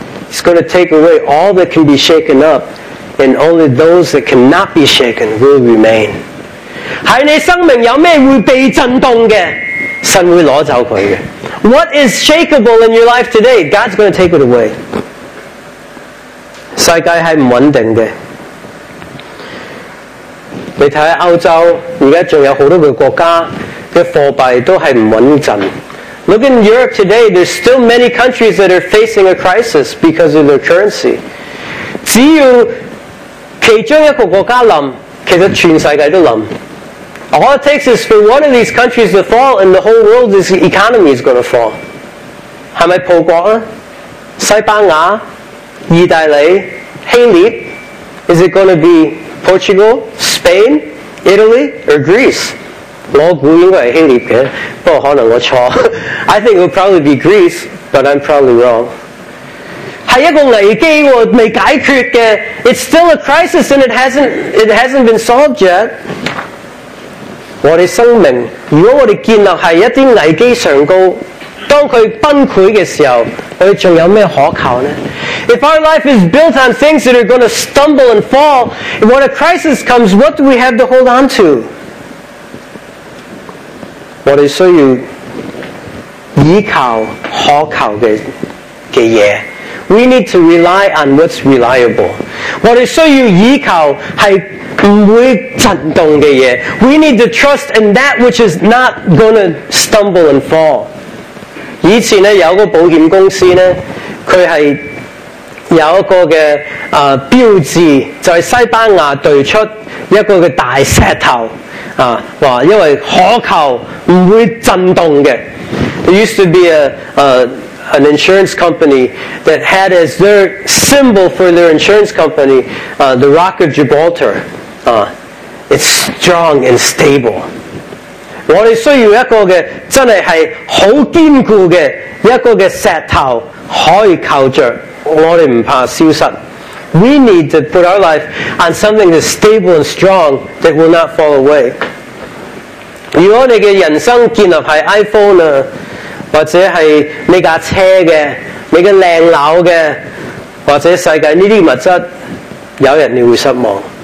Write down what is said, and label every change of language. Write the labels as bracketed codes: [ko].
[en] He's going to take away all that can be shaken up, and only those that cannot be shaken will remain. [yue] 在你生命有什么会被震动的，神会拿走它的。 [en] What is shakeable in your life today? God's going to take it away. [yue] 世界是不稳定的。你看欧洲现在还有很多的国家嘅貨幣都係唔穩陣。 [en] Look in Europe today, there's still many countries that are facing a crisis because of their currency. [yue] 只要其中一個國家冧，其實全世界都冧。 [en] All it takes is for one of these countries to fall, and the whole world's economy is going to fall. [yue] 係咪葡國啊？西班牙、意大利、希臘 [en] ？Is it going to be Portugal, Spain, Italy, or Greece? [yue] 我估應該係希臘嘅，不過可能我錯。 [en] I think it will probably be Greece, but I'm probably wrong. [yue] 係一個危機喎，未解決嘅。 [en] It's still a crisis, and it hasn't been solved yet. [yue] 我哋生命，如果我哋建立喺一啲危機上高，當佢崩潰嘅時候，我哋仲有咩可靠呢 [en] ？If our life is built on things that are going to stumble and fall, when a crisis comes, what do we have to hold on to？ [yue] 我哋需要依靠可靠嘅嘢。 [en] We need to rely on what's reliable。 [yue] 我哋需要依靠係。 [en] We need to trust in that which is not going to stumble and fall. [yue] 以前呢有一个保险公司呢，它是有一个的标志，就是西班牙对出一个大石头，说因为可靠不会震动的。 [en] There used to be an insurance company that had as their symbol for their insurance company, the Rock of Gibraltar. It's strong and stable. [yue] 我哋需要一个嘅真系系好坚固嘅一个嘅石头可以靠着，我哋唔怕消失。 [en] We need to put our life on something that's stable and strong that will not fall away. [yue] 如果你嘅人生建立系 iPhone 啊，或者系你架车嘅、你嘅靓楼嘅，或者世界呢啲物质，有人你会失望。